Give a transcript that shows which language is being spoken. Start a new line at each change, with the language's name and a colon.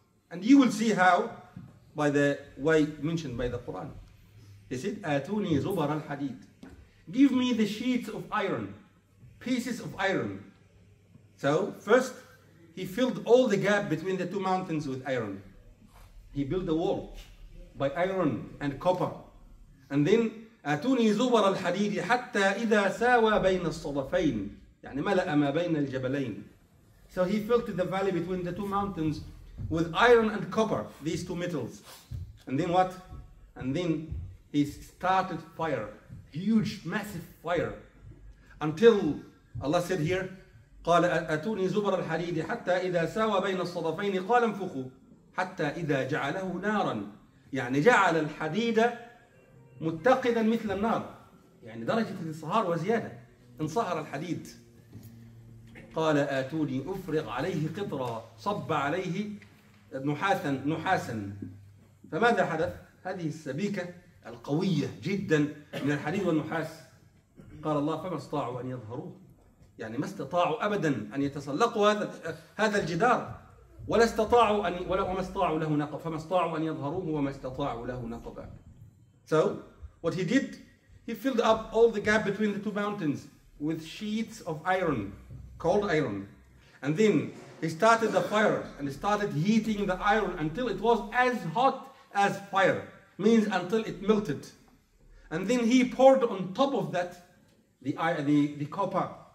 English: And you will see how, by the way mentioned by the Quran. He said,
Arabic: آتوني زبر الحديد.
English: Give me the sheets of iron, pieces of iron. So first, he filled all the gap between the two mountains with iron. He built a wall by iron and copper. And then,
Arabic: آتوني زبر الحديد حتى إذا ساوى بين الصدفين. يعني ملأ ما بين الجبلين.
English: So he filled the valley between the two mountains with iron and copper, these two metals. And then what? And then he started fire, huge, massive fire. Until Allah said here,
Arabic: قال أتوني زبر الحديد حتى إذا ساوى بين الصدفين قال انفخوا حتى إذا جعله نارا. يعني جعل الحديد متقدا مثل النار. يعني درجة الانصهار وزيادة. انصهر الحديد. قال آتوني أفرغ عليه قطرا صب عليه نحاسا نحاسا. فماذا حدث؟ هذه السبيكة القوية جدا من الحديد والنحاس. قال الله فما استطاعوا أن يظهروه. يعني ما استطاعوا أبدا أن يتسلقوا هذا الجدار. فما استطاعوا أن يظهروه وما استطاعوا له نقبا.
English: So what he did, he filled up all the gap between the two mountains with sheets of iron, cold iron. And then he started the fire and started heating the iron until it was as hot as fire. Means until it melted. And then he poured on top of that the copper.